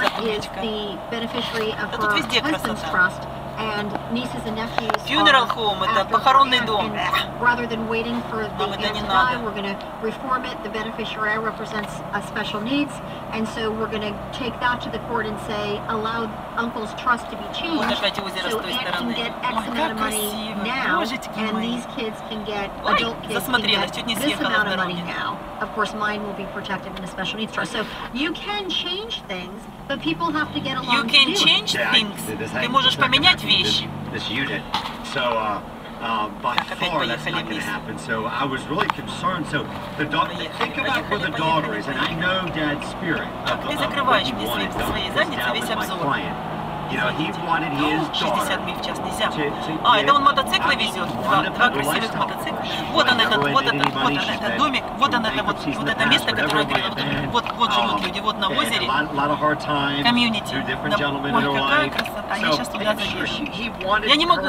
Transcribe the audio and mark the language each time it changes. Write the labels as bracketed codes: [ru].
[en] is the beneficiary of her husband's trust. And nieces and nephews. Funeral home, [ru] это похоронный дом. [en] Rather than waiting for the aunt to die, we're going to reform it. The beneficiary represents a special needs, and so we're going to take that to the court and say, allow uncle's trust to be changed. [ru] Вот опять озеро с той стороны. Ой, как красиво. Божечки мои. [en] And these kids can get adult kids can get this amount of money now. of course, mine will be protected in a special needs trust. So you can change things, but people have to get along. You can change things. [ru] Ты можешь поменять вещи. [en] This unit. So, by far, that's not going to happen. So I was really concerned. So the daughter, think about where the daughter is, and I know Dad's spirit. You know, he wanted his [ru] это он мотоциклы везет. Два красивых мотоцикла. Вот он, этот домик. Вот это место, которое говорил. Вот живут люди. Вот на озере. Комьюнити. Ой, какая красота. Я сейчас туда заеду. Я не могу.